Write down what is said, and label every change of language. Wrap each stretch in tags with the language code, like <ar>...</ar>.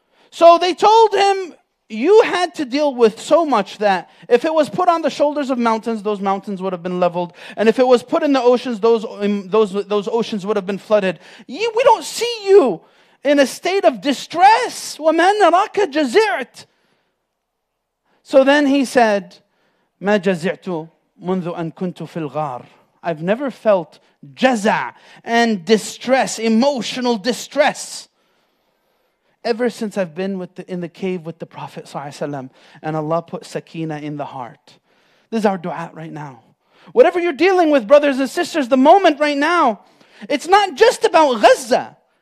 <en>So they told him, you had to deal with so much that if it was put on the shoulders of mountains, those mountains would have been leveled. And if it was put in the oceans, those oceans would have been flooded. We don't see you in a state of distress.</en> <ar>وَمَا نَرَاكَ جَزِعْتُ.</ar> <en>So then he said,</en> <ar>مَا جَزِعْتُ مُنْذُ أَنْ كُنْتُ فِي الْغَارِ.</ar> <en>I've never felt jaza and distress, emotional distress, ever since I've been in the cave with the Prophet ﷺ, and Allah put sakina in the heart. This is our dua right now. Whatever you're dealing with, brothers and sisters, the moment right now, it's not just about Gaza.</en>